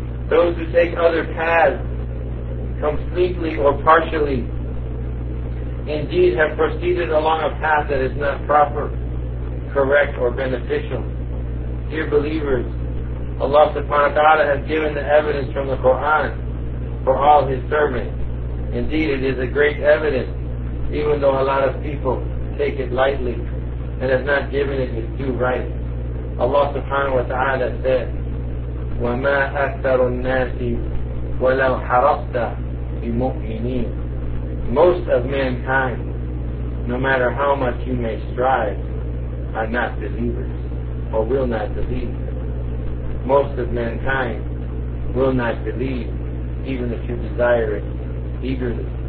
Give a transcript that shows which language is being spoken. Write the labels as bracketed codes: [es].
[en] Those who take other paths, completely or partially, indeed have proceeded along a path that is not proper, correct, or beneficial. Dear believers, Allah subhanahu wa ta'ala has given the evidence from the Qur'an for all His servants. Indeed, it is a great evidence, even though a lot of people take it lightly and have not given it its due right. Allah subhanahu wa ta'ala said, [ar] وَمَا أَكْثَرُ النَّاسِ وَلَوْ حَرَصْتَ بِمُؤْمِنِينَ. [en] Most of mankind, no matter how much you may strive, are not believers, or will not believe. Most of mankind will not believe, even if you desire it eagerly.